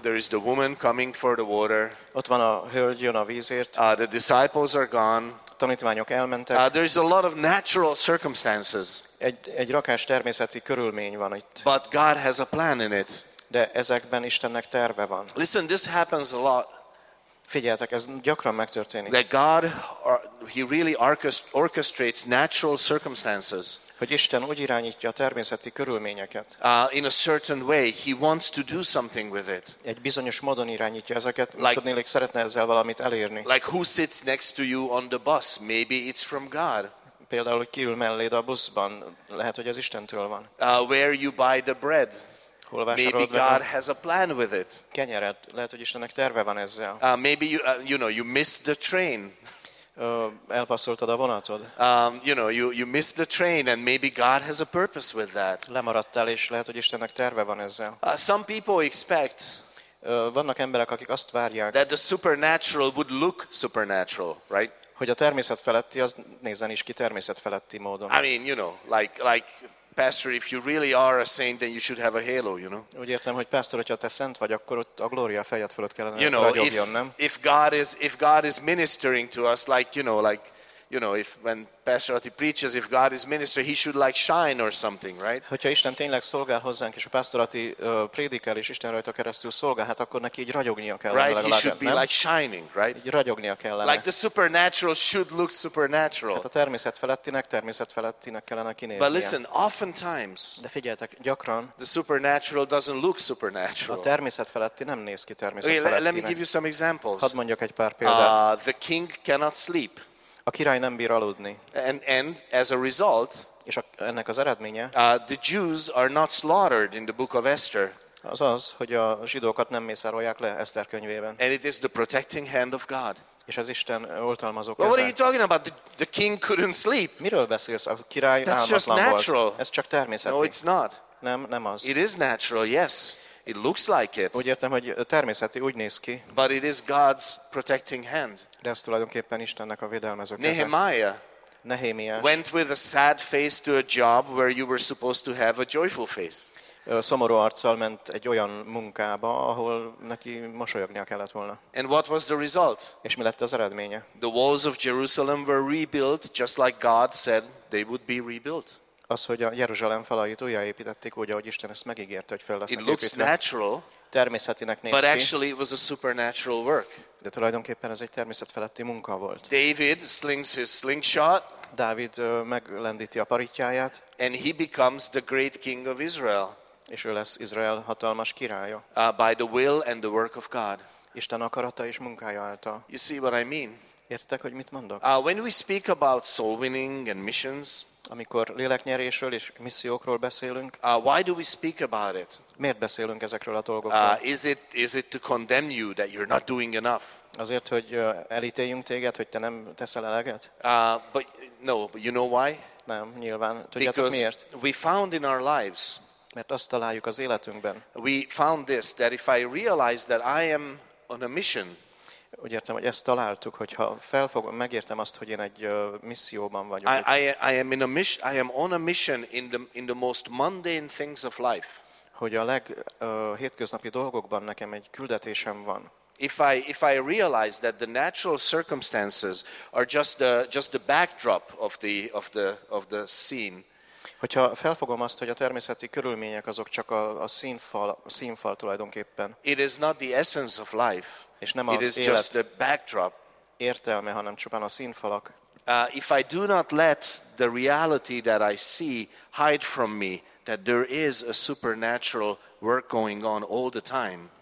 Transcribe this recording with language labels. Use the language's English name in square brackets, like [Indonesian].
[English] There is the woman coming for the water. [Hungarian] Ott van a hölgy, jön a vízért. [English] The disciples are gone. [Hungarian] A tanítványok elmentek. [English] There is a lot of natural circumstances. [Hungarian] Egy rakás természeti körülmény van itt. [English] But God has a plan in it. [Hungarian] De ezekben Istennek terve van. [English] Listen, this happens a lot. [Hungarian] Figyeljetek, ez gyakran megtörténik. [English] That God, he really orchestrates natural circumstances. [Hungarian] Hogy Isten úgy irányítja a természeti körülményeket. [English] In a certain way, he wants to do something with it. [Hungarian] Egy bizonyos módon irányítja ezeket, like, tudnélik, szeretne ezzel valamit elérni. [English] Like who sits next to you on the bus? Maybe it's from God. [Hungarian] Például ki ül melléd a buszban, lehet, hogy ez Istentől van. [English] Where you buy the bread? [Hungarian] Hol vásárolod? [English] Maybe God has a plan with it. [Hungarian] Kenyeret, lehet, hogy Istennek terve van ezzel. [English] Maybe you missed the train. [Hungarian] Elpasszoltad a vonatod. [English] You missed the train and maybe God has a purpose with that. [Hungarian] Lemaradtál és lehet, hogy Istennek terve van ezzel. [English] Some people expect [Hungarian] vannak emberek, akik azt várják. [English] That the supernatural would look supernatural, right? [Hungarian] Hogy a természet feletti az nézzen is ki természet feletti módon. [English] I mean, you know, like pastor, if you really are a saint, then you should have a halo, you know. [Hungarian] Úgy értem, hogy pásztor, hogyha te szent vagy, akkor ott a glória fejed fölött kellene ragyogjon, nem? [English] If God is ministering to us, like if when Pastor Ati preaches, if God is ministering, he should like shine or something, right? [Hungarian] Hogyha Isten tényleg szolgál hozzánk, és a pásztor Ati prédikel, és Isten rajta keresztül szolgál, hát akkor neki így ragyognia kellene. [English] Right, he should be like shining, right? [Hungarian] Így ragyognia kellene. [English] Like the supernatural should look supernatural. [Hungarian] Hát a természet felettinek kellene kinéznie. [English] But listen, oftentimes, [Hungarian] de figyeljetek, gyakran, [English] the supernatural doesn't look supernatural. [Hungarian] A természet feletti nem néz ki természet felettinek. [English] Okay, let me give you some examples. [Hungarian] Hadd mondjak egy pár példát. [English] The king cannot sleep. [Hungarian] A király nem bír aludni. [English] And as a result, [Hungarian] és ennek az eredménye, [English] the Jews are not slaughtered in the book of Esther. [Hungarian] Azaz, hogy a zsidókat nem mészárolják le Eszter könyvében. [English] And it is the protecting hand of God. [Hungarian] És az Isten oltalmazó keze. [English] What are you talking about? The king couldn't sleep. [Hungarian] Miről beszélsz? A király álmatlan volt. [English] That's just natural. [Hungarian] Ez csak természeti. [English] No, it's not. [Hungarian] Nem az. [English] It is natural, yes. It looks like it. [Hungarian] Úgy értem, hogy természeti úgy néz ki. [English] But it is God's protecting hand. [Hungarian] De ez tulajdonképpen Istennek a védelmező keze. [English] Nehemiah went with a sad face to a job where you were supposed to have a joyful face. [Hungarian] Szomorú arccal ment egy olyan munkába, ahol neki mosolyognia kellett volna. [English] And what was the result? [Hungarian] És mi lett az eredménye? [English] The walls of Jerusalem were rebuilt just like God said they would be rebuilt. [Hungarian] Az, hogy a Jeruzsálem falait újjáépítették, úgy, ahogy Isten ezt megígérte, hogy fel lesznek építve. [English] It looks natural, [Hungarian] természetinek néz [English] but [Hungarian] ki. [English] Actually it was a supernatural work. [Hungarian] De tulajdonképpen ez egy természet feletti munka volt. [English] David slings his slingshot. [Hungarian] Dávid meglendíti a paritjáját. [English] And he becomes the great king of Israel. [Hungarian] És ő lesz Izrael hatalmas királya. [English] By the will and the work of God. [Hungarian] Isten akarata és munkája által. [English] You see what I mean? [Hungarian] Értitek, hogy mit mondok? [English] When we speak about soul winning and missions, [Hungarian] amikor léleknyerésről és missziókról beszélünk, [English] why do we speak about it? [Hungarian] Miért beszélünk ezekről a dolgokról? [English] Is it to condemn you that you're not doing enough? [Hungarian] Azért, hogy elítéljünk téged, hogy te nem teszel eleget? [English] But you know why? [Hungarian] Nem, nyilván. Tudjátok [English] because [Hungarian] miért? [English] We found in our lives, [Hungarian] mert azt találjuk az életünkben. [English] We found this, that if I realize that I am on a mission, [Hungarian] úgy értem, hogy ezt találtuk, hogyha felfogom, megértem azt, hogy én egy misszióban vagyok. [English] I am on a mission in the most mundane things of life. [Hungarian] Hogy a leghétköznapi dolgokban nekem egy küldetésem van. [English] If I realize that the natural circumstances are just the backdrop of the scene. [Hungarian] Hogyha felfogom azt, hogy a természeti körülmények azok csak a színfal tulajdonképpen. [English] It is not the essence of life. [Hungarian] És nem az [English] it is [Hungarian] élet [English] just the backdrop. [Hungarian] Értelme, hanem csupán a színfalak. [English] If I do not let the reality that I see hide from me, that there is a supernatural work going on all the time.